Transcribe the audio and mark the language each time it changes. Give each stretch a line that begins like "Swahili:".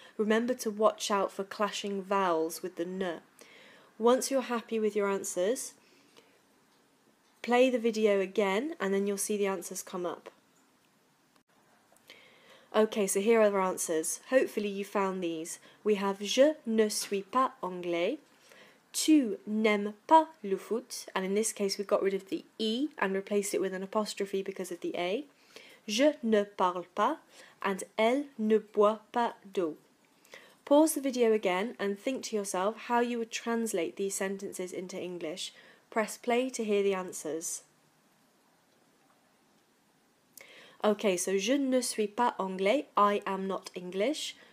English: Remember to watch out for clashing vowels with the ne. Once you're happy with your answers, play the video again and then you'll see the answers come up. Okay, so here are the answers. Hopefully you found these. We have
French: je ne suis pas anglais. Tu n'aimes pas le foot,
English: and in this case we've got rid of the e and replaced it with an apostrophe because of the a.
French: Je ne parle pas, and elle ne boit pas d'eau.
English: Pause the video again and think to yourself how you would translate these sentences into English. Press play to hear the answers. Okay, so
French: je ne suis pas anglais,
English: I am not English.